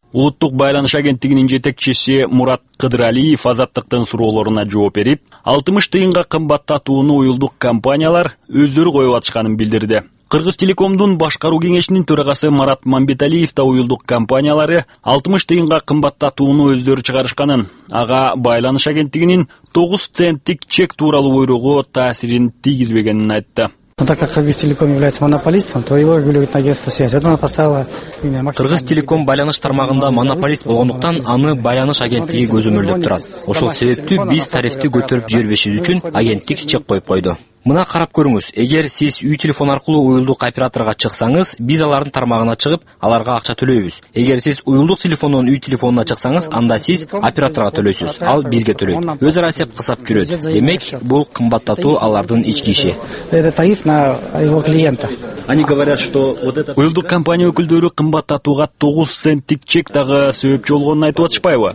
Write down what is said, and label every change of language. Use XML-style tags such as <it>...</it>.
<ky>Улуттук байланыш агенттигинин жетекчиси Мурат Кыдыралиев азаттыктын суроолоруна жооп берип, 60 тыйынга кымбаттатууну уюлдук компаниялар өздөрү коюп атышканын билдирди. Кыргыз Телекомдун башкаруу кеңешинин төрагасы Марат Мамбеталиев да уюлдук компаниялары 60 тыйынга кымбаттатууну өздөрү чыгарышканын, ага байланыш агенттигинин 9 центтик чек тууралуу буйругу таасирин тийгизбегенин айтты.</ky> <ru>Так как Кыргыз Телеком является монополистом, то его регулирует агентство связи. Это оно поставило...</ru> <ky>Кыргыз Телеком байланыш тармагында монополист болгондуктан, аны байланыш агенттиги көзөмөлдөп турат. Ошол себептүү биз тарифти көтөрүп жибербешибиз үчүн агенттик чек коюп койду. Мына карап көрүңүз, эгер сиз үй телефон аркылуу уюлдук операторго чыксаңыз, биз алардын тармагына чыгып, аларга акча төлөйбүз. Эгер сиз уюлдук телефондон үй телефонуна чыксаңыз, анда сиз операторго төлөйсүз, ал бизге төлөйт. Өз ара эсеп кысап жүрөт. Демек, бул кымбаттатуу алардын ички иши.</ky> <ru>Это тариф на его клиента. Они говорят, что вот это</ru> <ky>уюлдук компания өкүлдөрү кымбаттатууга 9 центтик чек дагы себепчи болгонун айтып атышпайбы?</ky>